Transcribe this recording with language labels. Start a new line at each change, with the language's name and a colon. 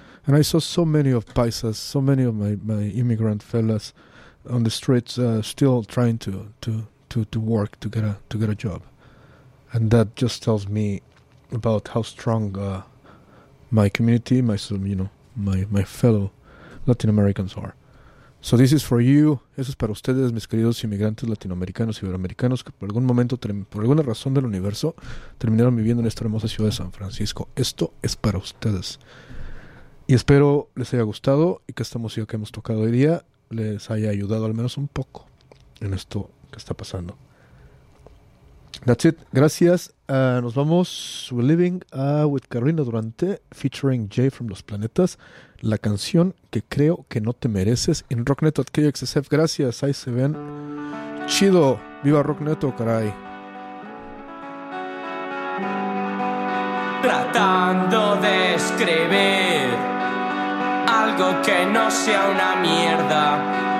English: And I saw so many of paisas, so many of my immigrant fellas on the streets still trying to work to get a job. And that just tells me about how strong my community, my fellow Latin Americans are. So this is for you.
Spanish: Eso es para ustedes, mis queridos inmigrantes latinoamericanos y iberoamericanos que por algún momento, por alguna razón del universo, terminaron viviendo en esta hermosa ciudad de San Francisco. Esto es para ustedes. Y espero les haya gustado y que esta música que hemos tocado hoy día les haya ayudado al menos un poco en esto que está pasando.
English: That's it.
Spanish: Gracias. Nos vamos.
English: We're leaving with Carolina Durante featuring Jay from Los Planetas.
Spanish: La canción que creo que no te mereces en Rockneto at KXSF. Gracias. Ahí se ven. Chido. Viva Rockneto, caray. Tratando de escribir algo que no sea una mierda.